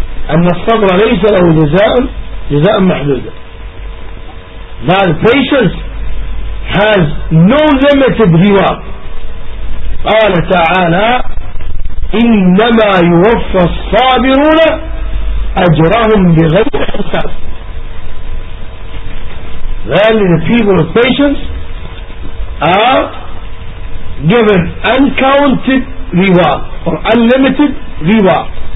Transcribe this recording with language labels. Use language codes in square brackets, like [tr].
[ar] أن الصبر ليس له جزاء محدودا. [en] That patience has no limited reward. [ar] قال تعالى إنما يوفى الصابرون أجرهم بغير حساب. [en] Verily the people of patience are given uncounted reward or unlimited reward.